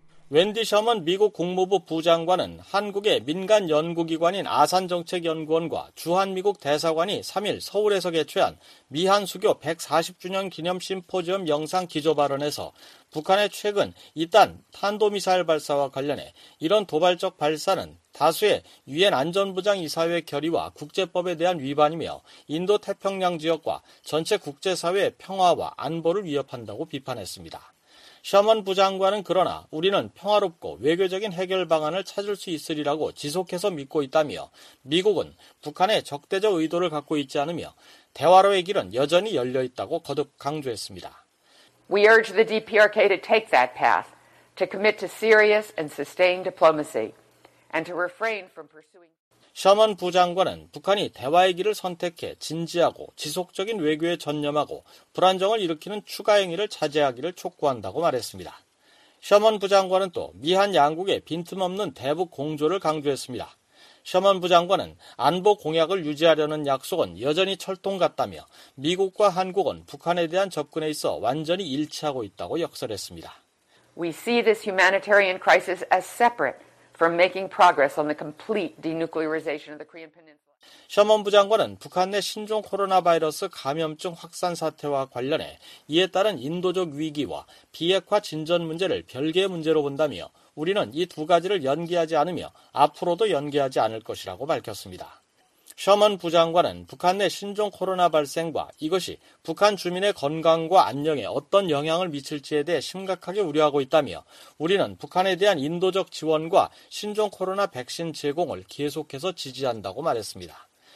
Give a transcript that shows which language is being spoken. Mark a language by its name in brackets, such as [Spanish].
[Korean] 웬디 셔먼 미국 국무부 부장관은 한국의 민간연구기관인 아산정책연구원과 주한미국 대사관이 3일 서울에서 개최한 미한수교 140주년 기념 심포지엄 영상 기조발언에서 북한의 최근 이딴 탄도미사일 발사와 관련해 이런 도발적 발사는 다수의 유엔 안전보장 이사회 결의와 국제법에 대한 위반이며 인도태평양 지역과 전체 국제사회의 평화와 안보를 위협한다고 비판했습니다. 셔먼 부장관은 그러나 우리는 평화롭고 외교적인 해결 방안을 찾을 수 있으리라고 지속해서 믿고 있다며 미국은 북한에 적대적 의도를 갖고 있지 않으며 대화로의 길은 여전히 열려 있다고 거듭 강조했습니다. [English] We urge the DPRK to take that path, to commit to serious and sustained diplomacy, and to refrain from pursuing. [Korean] 셔먼 부장관은 북한이 대화의 길을 선택해 진지하고 지속적인 외교에 전념하고 불안정을 일으키는 추가 행위를 자제하기를 촉구한다고 말했습니다. 셔먼 부장관은 또 미한 양국의 빈틈없는 대북 공조를 강조했습니다. 셔먼 부장관은 안보 공약을 유지하려는 약속은 여전히 철통 같다며 미국과 한국은 북한에 대한 접근에 있어 완전히 일치하고 있다고 역설했습니다. [English] We see this humanitarian crisis as separate from making progress on the complete denuclearization of the Korean Peninsula. [Korean] 셔먼 부장관은 북한 내 신종 코로나 바이러스 감염증 확산 사태와 관련해 이에 따른 인도적 위기와 비핵화 진전 문제를 별개의 문제로 본다며 우리는 이 두 가지를 연기하지 않으며 앞으로도 연기하지 않을 것이라고 밝혔습니다. 셔먼 부장관은 북한 내 신종 코로나 발생과 이것이 북한 주민의 건강과 안녕에 어떤 영향을 미칠지에 대해 심각하게 우려하고 있다며 우리는 북한에 대한 인도적 지원과 신종 코로나 백신 제공을 계속해서 지지한다고 말했습니다.